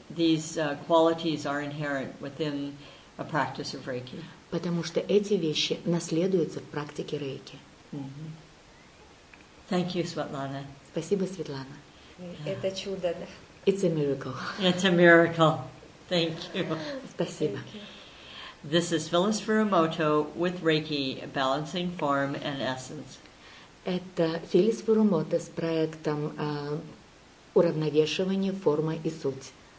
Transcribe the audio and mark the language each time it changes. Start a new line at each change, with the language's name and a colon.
English: These qualities are inherent within a practice of Reiki.
Russian: Потому что эти вещи наследуются в практике Рейки.
English: Mm-hmm. Thank you, Svetlana.
Russian: Спасибо, Светлана. Это чудо.
English: It's a miracle. It's a miracle. Thank you.
Russian: Спасибо.
English: This is Phyllis Furumoto with Reiki, Balancing Form and Essence.
Russian: Это Фелис Фурумото с проектом уравновешивания формы и суть.